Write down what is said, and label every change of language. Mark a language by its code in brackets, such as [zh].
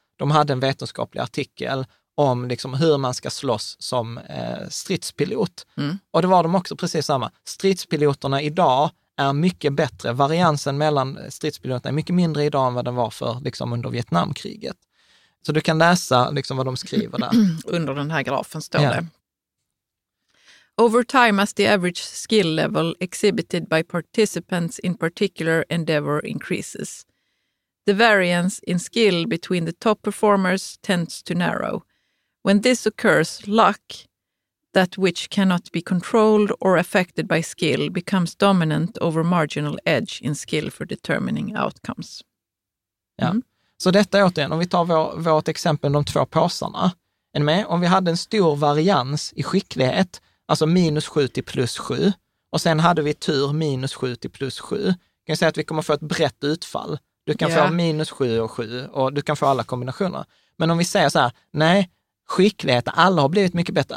[sv] De hade en vetenskaplig artikel om liksom hur man ska slåss som stridspilot. Mm. Och det var de också precis samma. Stridspiloterna idag är mycket bättre. Variansen mellan stridspiloterna är mycket mindre idag än vad den var för liksom under Vietnamkriget. Så du kan läsa liksom vad de skriver där. Under den här grafen står det. [en] Over time as the average skill level exhibited by participants in particular endeavor increases. The variance in skill between the top performers tends to narrow. When this occurs, luck, that which cannot be controlled or affected by skill, becomes dominant over marginal edge in skill for determining outcomes. Mm. Ja. [sv] Så detta är återigen, om vi tar vårt exempel, de två påsarna. Är ni med? Om vi hade en stor varians i skicklighet, alltså minus 7 till plus 7, och sen hade vi tur minus 7 till plus 7, kan jag säga att vi kommer få ett brett utfall. Du kan få minus 7 och 7 och du kan få alla kombinationer. Men om vi säger så här, nej, skicklighet, alla har blivit mycket bättre.